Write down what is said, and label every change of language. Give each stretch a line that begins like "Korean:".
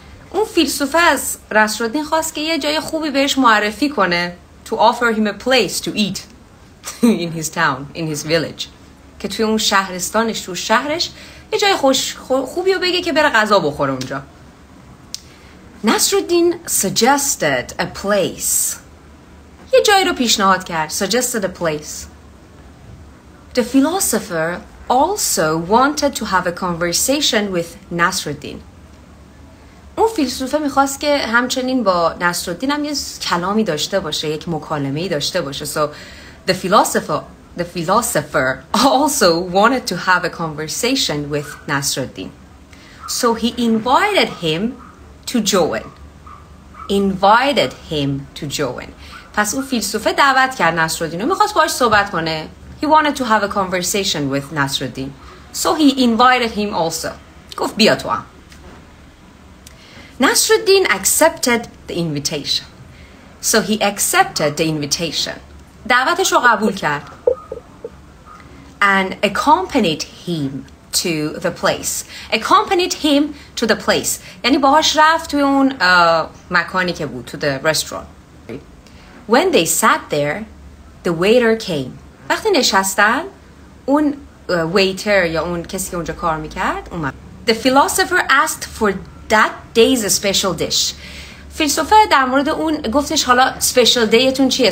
Persian: اون فیلسوف از نصرالدین خواست که یه جای خوبی بهش معرفی کنه,
English: to offer him a place to eat in his town, in his village,
Persian: که توی اون شهرستانش, تو شهرش یه جای خوبی رو بگه که بره غذا بخوره اونجا.
English: Nasruddin suggested a place.
Persian: یه جایی رو پیشنهاد کرد.
English: Suggested a place. The philosopher also wanted to have a conversation with Nasruddin.
Persian: اون فیلسوفه میخواست که همچنین با نصرالدین هم یه کلامی داشته باشه. یک مکالمه‌ای داشته باشه.
English: So the philosopher also wanted to have a conversation with Nasruddin. So he invited him to join. Invited him to join.
Persian: پس اون فیلسوفه دعوت کرد نصرالدین و میخواست باهاش صحبت کنه.
English: He wanted to have a conversation with Nasruddin. So he invited him also.
Persian: گفت بیا تو هم.
English: Nasruddin accepted the invitation. So he accepted the invitation.
Persian: دعوتش رو قبول کرد.
English: And accompanied him to the place. Accompanied him to the place.
Persian: یعنی باهاش رفت توی اون مکانی که بود,
English: to the restaurant. When they sat there, the waiter came.
Persian: وقتی نشستن, اون waiter یا اون کسی که اونجا کار میکرد اومد.
English: The philosopher asked for that day's special dish.
Persian: فیلسوفه در مورد اون گفتش, حالا
English: special day
Persian: تون چیه?